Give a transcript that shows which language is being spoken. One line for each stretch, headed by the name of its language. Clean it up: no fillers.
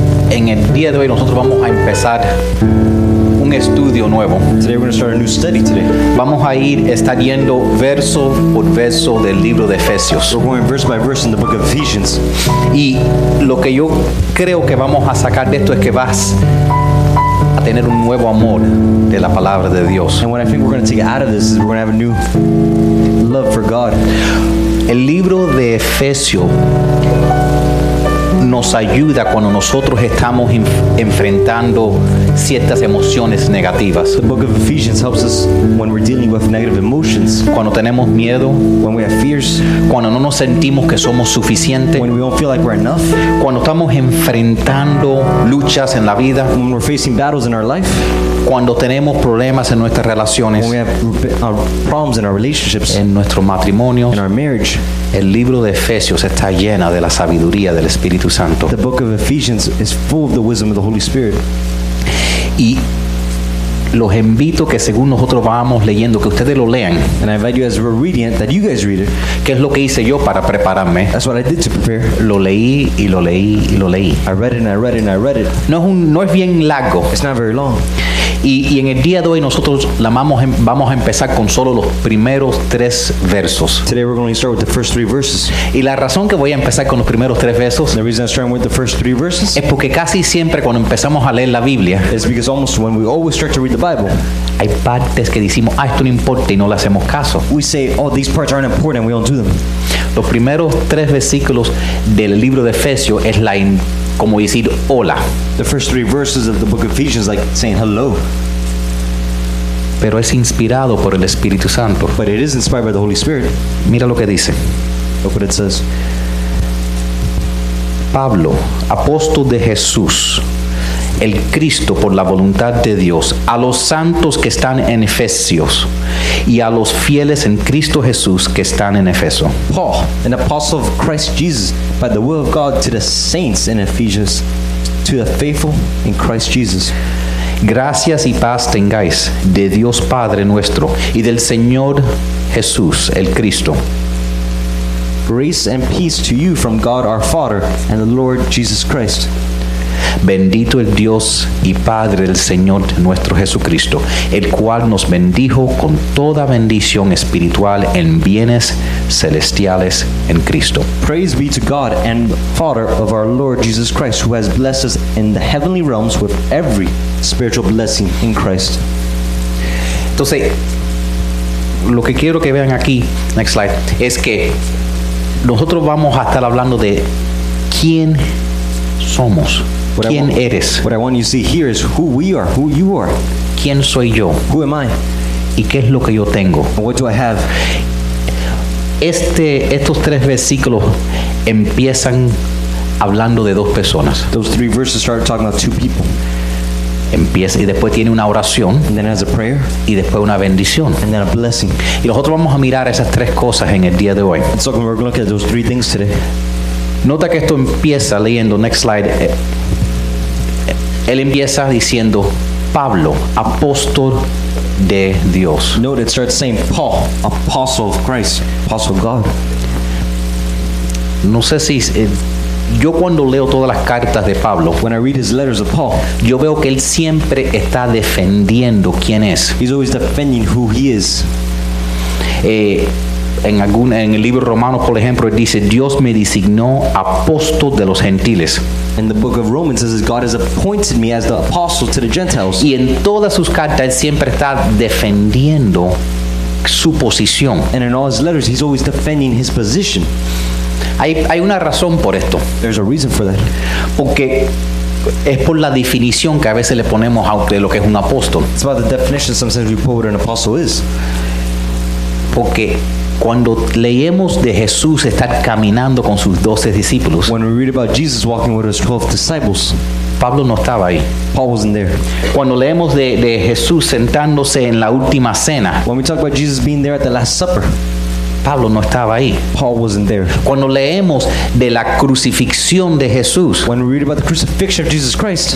Spanish: En el día de hoy nosotros vamos a empezar un estudio nuevo.
English: Today we're going to start a new study today.
Spanish: Vamos a ir estudiando verso por verso del libro de Efesios.
English: We're going verse by verse in the book of Ephesians.
Spanish: Y lo que yo creo que vamos a sacar de esto es que vas a tener un nuevo amor de la palabra de Dios.
English: And what I think we're going to take out of this is we're going to have a new love for God.
Spanish: El libro de Efesios nos ayuda cuando nosotros estamos enfrentando ciertas emociones negativas.
English: The book of Ephesians helps us when we're dealing with negative emotions.
Spanish: Cuando tenemos miedo.
English: When we have fears.
Spanish: Cuando no nos sentimos que somos suficientes.
English: When we don't feel like we're enough.
Spanish: Cuando estamos enfrentando luchas en la vida.
English: When we're facing battles in our life.
Spanish: Cuando tenemos problemas en nuestras relaciones.
English: When we have problems in our relationships.
Spanish: En nuestro matrimonio.
English: In our marriage.
Spanish: El libro de Efesios está llena de la sabiduría del Espíritu Santo.
English: The book of Ephesians is full of the wisdom of the Holy Spirit.
Spanish: Y los invito que según nosotros vamos leyendo, que ustedes lo lean.
English: And I invite you as we're reading it, that you guys read it.
Spanish: ¿Qué es lo que hice yo para prepararme?
English: That's what I did to prepare.
Spanish: Lo leí y lo leí y lo leí.
English: I read it and I read it and I read it.
Spanish: No es bien largo.
English: It's not very long.
Spanish: Y en el día de hoy nosotros vamos a empezar con solo los primeros tres versos.
English: Today we're going to start with the first three verses.
Spanish: Y la razón que voy a empezar con los primeros tres versos,
English: the reason I'm starting with the first three verses,
Spanish: es porque casi siempre cuando empezamos a leer la Biblia,
English: is because almost when we always start to read the Bible,
Spanish: hay partes que decimos, ah, esto no importa y no le hacemos caso.
English: We say, oh, these parts aren't important, we don't do them.
Spanish: Los primeros tres versículos del libro de Efesios es la como decir hola.
English: The first three verses of the book of Ephesians like saying hello.
Spanish: Pero es inspirado por el Espíritu Santo.
English: But it is inspired by the Holy Spirit.
Spanish: Mira lo que dice.
English: Look what it says.
Spanish: Pablo, apóstol de Jesús, el Cristo por la voluntad de Dios, a los santos que están en Efesios y a los fieles en Cristo Jesús que están en Efeso.
English: Paul, an apostle of Christ Jesus, by the will of God, to the saints in Ephesus, to the faithful in Christ Jesus.
Spanish: Gracias y paz tengáis de Dios Padre nuestro y del Señor Jesús, el Cristo.
English: Grace and peace to you from God our Father and the Lord Jesus Christ.
Spanish: Bendito el Dios y Padre del Señor nuestro Jesucristo, el cual nos bendijo con toda bendición espiritual en bienes celestiales en Cristo.
English: Praise be to God and Father of our Lord Jesus Christ, who has blessed us in the heavenly realms with every spiritual blessing in Christ.
Spanish: Entonces, lo que quiero que vean aquí,
English: next slide,
Spanish: es que nosotros vamos a estar hablando de quién somos. ¿Quién eres?
English: What I want you to see here is who we are, who you are.
Spanish: ¿Quién soy yo?
English: Who am I?
Spanish: ¿Y qué es lo que yo tengo?
English: What do I have?
Spanish: Estos tres versículos empiezan hablando de dos personas.
English: Those three verses start talking about two people.
Spanish: Empieza y después tiene una oración.
English: And then has a prayer.
Spanish: Y después una bendición.
English: And then a blessing.
Spanish: Y nosotros vamos a mirar esas tres cosas en el día de hoy.
English: So we're going to look at those three things today.
Spanish: Nota que esto empieza leyendo,
English: next slide,
Spanish: él empieza diciendo Pablo, apóstol de Dios.
English: Note it starts saying Paul, apostle of Christ, apostle of God.
Spanish: No sé si yo cuando leo todas las cartas de Pablo,
English: when I read his letters of Paul,
Spanish: yo veo que él siempre está defendiendo quién es.
English: He's always defending who he is.
Spanish: En el libro Romanos, por ejemplo, dice Dios me designó apóstol de los gentiles.
English: In the book of Romans it says God has appointed me as the apostle to the Gentiles.
Spanish: Y en todas sus cartas él siempre está defendiendo su posición.
English: And in all his letters he's always defending his position.
Spanish: Hay una razón por esto.
English: There's a reason for that.
Spanish: Porque es por la definición que a veces le ponemos a usted lo que es un apóstol.
English: It's about the definition sometimes we put what an apostle is.
Spanish: Porque cuando leemos de Jesús estar caminando con sus 12 discípulos,
English: when we read about Jesus walking with his 12 disciples,
Spanish: Pablo no estaba ahí.
English: Paul wasn't there.
Spanish: Cuando leemos de Jesús sentándose en la última cena,
English: when we talk about Jesus being there at the Last Supper,
Spanish: Pablo no estaba ahí.
English: Paul wasn't there.
Spanish: Cuando leemos de la crucifixión de Jesús,
English: when we read about the crucifixion of Jesus Christ,